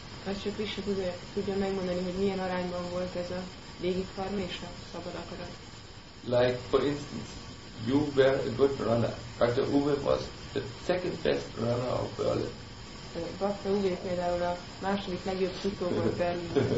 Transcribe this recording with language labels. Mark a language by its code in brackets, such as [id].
[hu] Azt csak Krishna tudja megmondani, hogy milyen arányban volt ez a régi karma és a szabad akarat. [en] Like, for instance, you were a good runner. Bhakta Uwe was the second best runner of Berlin. [hu] Bhakta Uwe például a második legjobb futó volt Berlin.